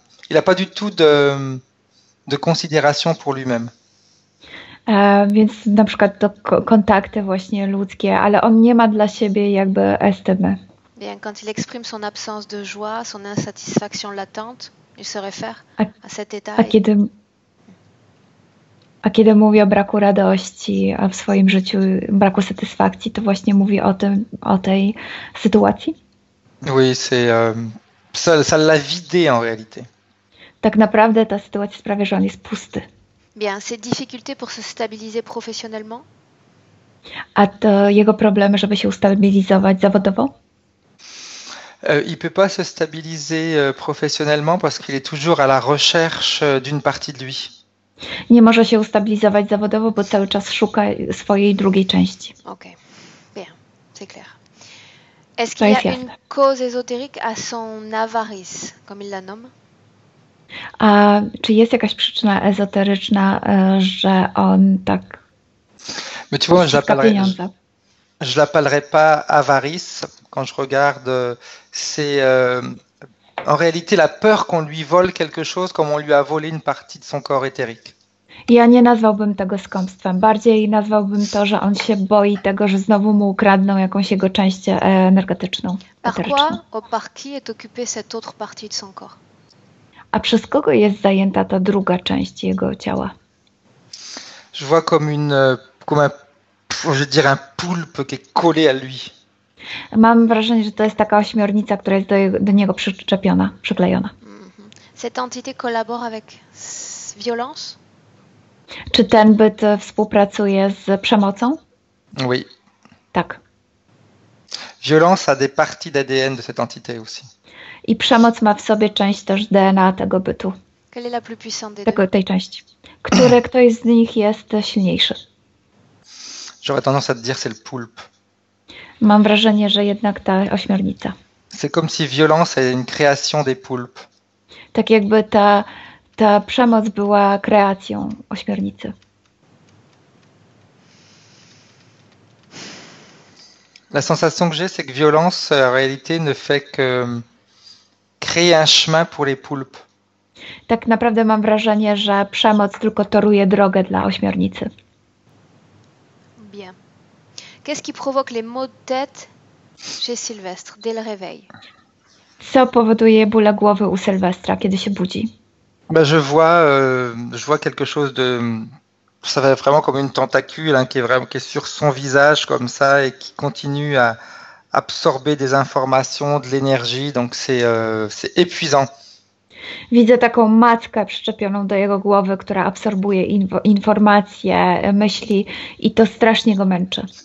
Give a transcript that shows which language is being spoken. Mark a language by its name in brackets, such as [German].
[French] Il a pas du tout de considération pour lui-même. [Polish] Więc na przykład to kontakty właśnie ludzkie, ale on nie ma dla siebie jakby estymy. [French] Bien, quand il exprime son absence de joie, son insatisfaction latente, il se réfère à cet état. [Polish] A kiedy mówi o braku radości w swoim życiu, braku satysfakcji, to właśnie mówi o tej sytuacji? [French] Oui, c'est ça l'a vidé en réalité. [Polish] Tak naprawdę ta sytuacja sprawia, że on jest pusty. [French] Bien, ses difficultés pour se stabiliser professionnellement. [Polish] A to jego problemy, żeby się ustabilizować zawodowo? [French] Il peut pas se stabiliser professionnellement parce qu'il est toujours à la recherche d'une partie de lui. [Polish] Nie może się ustabilizować zawodowo, bo cały czas szuka swojej drugiej części. [French] Ok, bien, c'est clair. Est-ce qu'il y a une cause ésotérique à son avarice, comme il la nomme? [Polish] A czy jest jakaś przyczyna ezoteryczna, że on tak. [French] Mais tu vois, je l'appellerai pas avarice quand je regarde. C'est en réalité la peur qu'on lui vole quelque chose comme on lui a volé une partie de son corps éthérique. [Polish] Ja nie nazwałbym tego skąpstwem. Bardziej nazwałbym to, że on się boi tego, że znowu mu ukradną jakąś jego część energetyczną. [French] Par qui est occupée cette autre partie de son corps? [Polish] A przez kogo jest zajęta ta druga część jego ciała? [French] Je vois comme un, je dirais un poulpe qui est collé à lui. [Polish] Mam wrażenie, że to jest taka ośmiornica, która jest do niego przyczepiona, przyklejona. [French] Cette entité collabore avec violence? [Polish] Czy ten byt współpracuje z przemocą? [French] Oui. [Polish] Tak. [French] Violence a des parties d'ADN de cette entité aussi. [Polish] I przemoc ma w sobie część też DNA tego bytu. [French] Quelle est la plus puissante des [Polish] tego, tej części. Które ktoś z nich jest silniejszy? [French] J'aurais tendance à te dire c'est le poulpe. [Polish] Mam wrażenie, że jednak ta ośmiornica. [French] C'est comme si violence est une création des poulpes. [Polish] Tak jakby ta przemoc była kreacją ośmiornicy. [French] La sensation que j'ai, c'est que violence en réalité ne fait que créer un chemin pour les poulpes. [Polish] Tak naprawdę mam wrażenie, że przemoc tylko toruje drogę dla ośmiornicy. [French] Bien. Qu'est-ce qui provoque les maux de tête chez Sylvestre dès le réveil? [Polish] Co powoduje bóle głowy u Sylwestra, kiedy się budzi? [French] Je vois quelque chose Ça fait vraiment comme une tentacule hein, qui est sur son visage comme ça et qui continue à absorber des informations, de l'énergie. Donc c'est épuisant. [Polish] Widzę taką matkę przyczepioną do jego głowy, która absorbuje informacje, myśli i to strasznie go męczy.